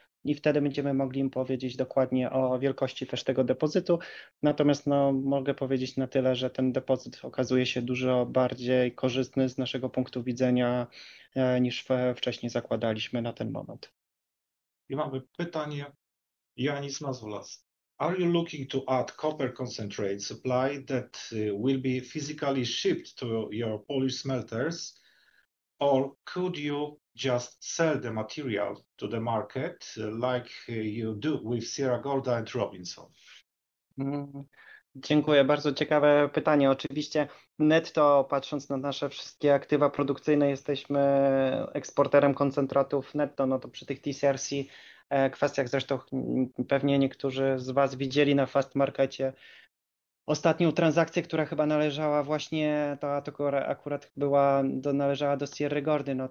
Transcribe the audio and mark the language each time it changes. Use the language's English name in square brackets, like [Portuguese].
[Polish] I wtedy będziemy mogli im powiedzieć dokładnie o wielkości też tego depozytu. Natomiast no, mogę powiedzieć na tyle, że ten depozyt okazuje się dużo bardziej korzystny z naszego punktu widzenia, niż wcześniej zakładaliśmy na ten moment. I mamy pytanie Janis Mazulas. [English] Are you looking to add copper concentrate supply that will be physically shipped to your Polish smelters, or could you just sell the material to the market like you do with Sierra Gorda and Robinson? [Polish] Dziękuję. Bardzo ciekawe pytanie. Oczywiście netto, patrząc na nasze wszystkie aktywa produkcyjne, jesteśmy eksporterem koncentratów netto. No to przy tych TCRC kwestiach zresztą pewnie niektórzy z Was widzieli na Fast Markecie ostatnią transakcję, która chyba należała właśnie, to akurat należała do Sierra Gordy.